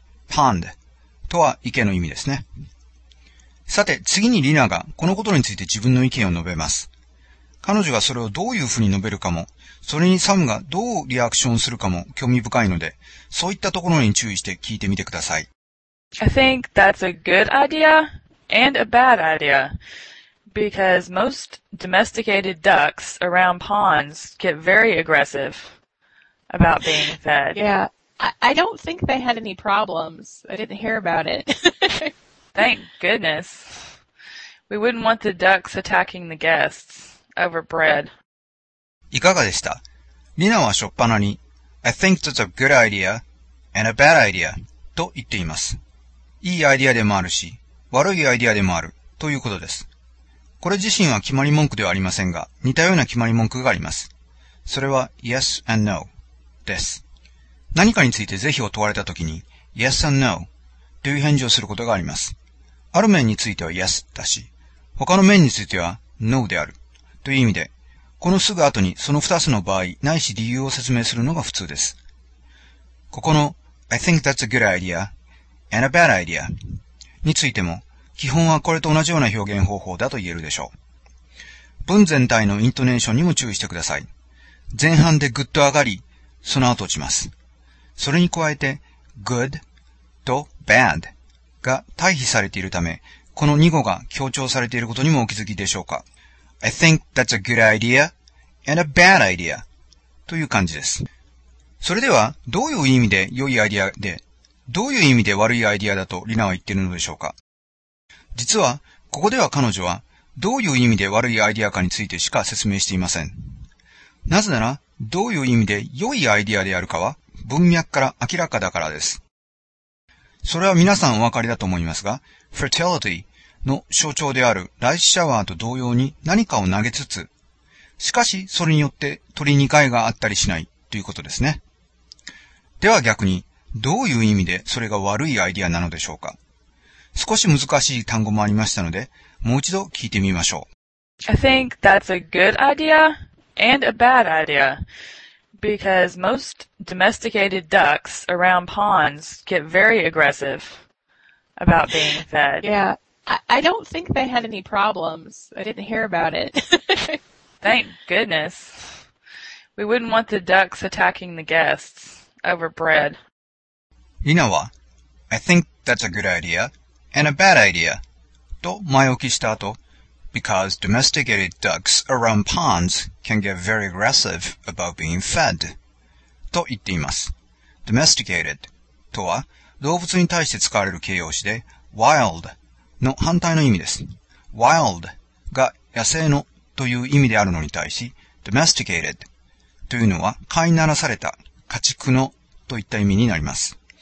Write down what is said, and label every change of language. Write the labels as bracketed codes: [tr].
[ja] パンド、とは池の意味ですね。さて、次にリナが、このことについて自分の意見を述べます。彼女がそれをどういうふうに述べるかも、それにサムがどうリアクションするかも興味深いので、そういったところに注意して聞いてみてください。 [en] I think that's a good idea and a bad idea. Because most domesticated ducks around ponds get very aggressive about being fed. Yeah, I don't think they had any problems. I didn't hear about it. Thank goodness. We wouldn't want the ducks attacking the guests over bread. [ja] いかがでした? リナはしょっぱなに、 [en] I think that's a good idea and a bad idea [ja] と言っています。いいアイディアでもあるし、悪いアイディアでもあるということです。これ自身は決まり文句ではありませんが、似たような決まり文句があります。それは [en] Yes and No [ja] です。何かについて是非を問われたときに [en] Yes and No [ja] という返事をすることがあります。ある面については Yes だし、他の面については No であるという意味で、このすぐ後にその2つの場合ないし理由を説明するのが普通です。ここの [en] I think that's a good idea and a bad idea [ja] についても、基本はこれと同じような表現方法だと言えるでしょう。文全体のイントネーションにも注意してください。前半でグッと上がり、その後落ちます。それに加えて、good と b banned が退避されているため、この2語が強調されていることにもお気づきでしょうか。 [en] I think that's a good idea and a bad idea [ja] という感じです。それでは、どういう意味で良いアイデアで、どういう意味で悪いアイデアだとリナは言っているのでしょうか。実は、ここでは彼女は、どういう意味で悪いアイデアかについてしか説明していません。なぜなら、どういう意味で良いアイデアであるかは、文脈から明らかだからです。それは皆さんお分かりだと思いますが、fertility の象徴であるライスシャワーと同様に何かを投げつつ、しかしそれによって取り2回があったりしないということですね。では逆に、どういう意味でそれが悪いアイデアなのでしょうか。少し難しい単語もありましたので、もう一度聞いてみましょう。 [en] I think that's a good idea and a bad idea. Because most domesticated ducks around ponds get very aggressive about being fed. Yeah, I don't think they had any problems. I didn't hear about it. Thank goodness. We wouldn't want the ducks attacking the guests over bread. Lina は、I think that's a good idea and a bad idea [ja] と前置きした後、 [en] Because domesticated ducks around ponds can get very aggressive about being fed. [ja] と言っています。 domesticated とは動物に対して使われる形容詞で wild の反対の意味です。 wild が野生のという意味であるのに対し domesticated というのは飼いならされた家畜のといった意味になります。